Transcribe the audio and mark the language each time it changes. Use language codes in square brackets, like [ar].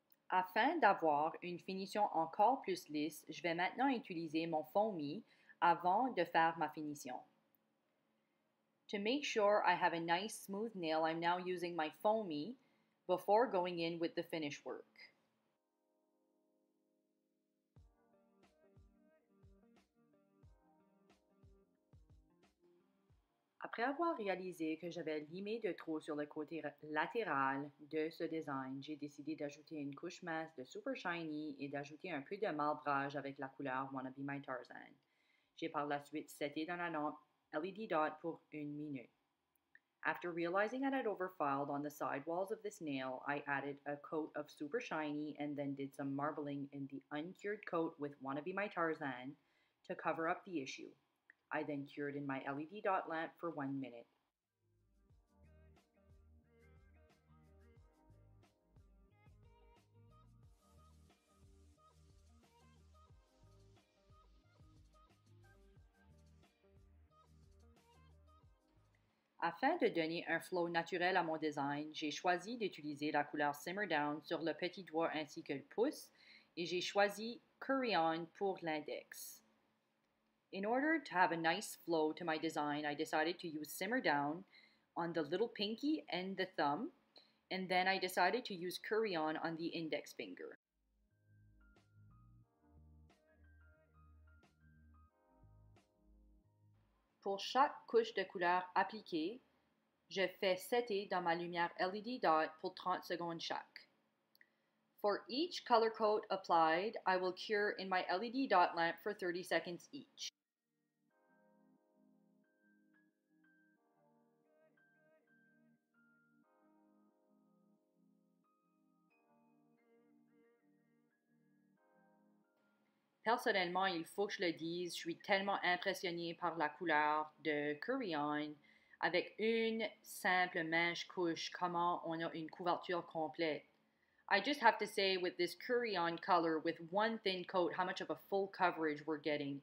[fr] Afin d'avoir une finition encore plus lisse, je vais maintenant utiliser mon foamy avant de faire ma finition. [en] To make sure I have a nice smooth nail, I'm now using my foamy before going in with the finish work. [fr] Après avoir réalisé que j'avais limé de trop sur le côté latéral de ce design, j'ai décidé d'ajouter une couche mince de Super Shiny et d'ajouter un peu de marbrage avec la couleur Wanna Be My Tarzan. J'ai par la suite seté dans la lampe LED dot pour une minute. [en] After realizing that I'd overfiled on the sidewalls of this nail, I added a coat of Super Shiny and then did some marbling in the uncured coat with Wanna Be My Tarzan to cover up the issue. I then cured in my LED dot lamp for 1 minute. [fr] Afin de donner un flow naturel à mon design, j'ai choisi d'utiliser la couleur Simmer Down sur le petit doigt ainsi que le pouce et j'ai choisi Curry On pour l'index. [en] In order to have a nice flow to my design, I decided to use Simmer Down on the little pinky and the thumb, and then I decided to use Curry On on the index finger. [fr] Pour chaque couche de couleur appliquée, je fais setter dans ma lumière LED dot pour 30 secondes chaque. [en] For each color coat applied, I will cure in my LED dot lamp for 30 seconds each. [fr] Personnellement, il faut que je le dise, je suis tellement impressionnée par la couleur de Curry On. Avec une simple mèche couche, comment on a une couverture complète. [en] I just have to say, with this Curry On color, with one thin coat, how much of a full coverage we're getting.